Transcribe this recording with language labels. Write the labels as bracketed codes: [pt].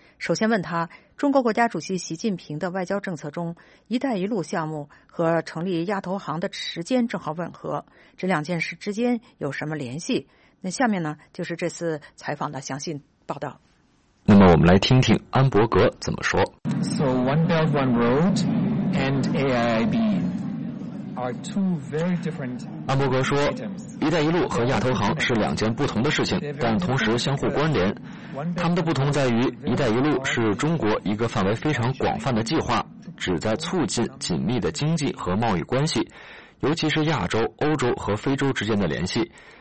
[zh] 首先问他，中国国家主席习近平的外交政策中，一带一路项目和成立亚投行的时间正好吻合，这两件事之间有什么联系？那下面呢，就是这次采访的详细报道。那么我们来听听安伯格怎么说。 [en] So One Belt One Road and AIIB are two very different。 [zh] 安伯格说，一带一路和亚投行是两件不同的事情，但同时相互关联。他们的不同在于，一带一路是中国一个范围非常广泛的计划，旨在促进紧密的经济和贸易关系，尤其是亚洲、欧洲和非洲之间的联系。